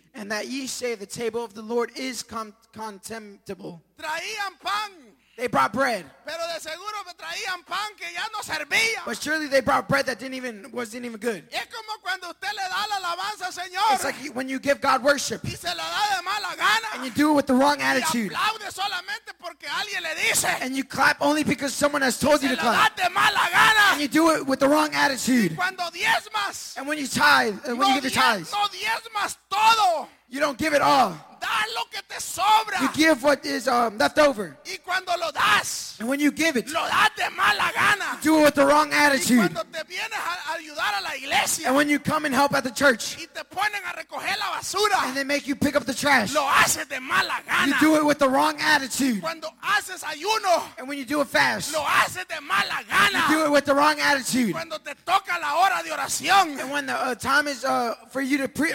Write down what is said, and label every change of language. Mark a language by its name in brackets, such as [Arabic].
[English] And that ye say the table of the Lord is contemptible. [Spanish] Traían pan. [English] They brought bread. [Spanish] Pero de seguro me traían pan que ya no servía. [English] But surely they brought bread that wasn't even good. [Spanish] Es como cuando usted le da la alabanza, Señor. [English] It's like when you give God worship. [Spanish] Y se la da de mala gana. [English] And you do it with the wrong attitude. [Spanish] Y aplaude solamente porque alguien le dice. [English] And you clap only because someone has told [Spanish] se [English] you to clap. [Spanish] La da de mala gana. [English] And you do it with the wrong attitude. [Spanish] Y cuando diezmas. [English] And when you tithe, when you give your tithes. [Spanish] No diezmas todo. [English] You don't give it all. [Spanish] Lo que te sobra. [English] You give what is left over. [Spanish] Y cuando lo das, [English] and when you give it, [Spanish] lo das de mala gana. [English] You do it with the wrong attitude. [Spanish] Y cuando te vienes a ayudar a la iglesia, [English] and when you come and help at the church, [Spanish] y te ponen a recoger la basura, [English] and they make you pick up the trash, [Spanish] lo haces de mala gana. [English] You do it with the wrong attitude. [Spanish] Y cuando haces ayuno, [English] and when you do it fast, [Spanish] lo haces de mala gana. [English] You do it with the wrong attitude. [Spanish] Y cuando te toca la hora de oración, [English] and when the time is for you to pray,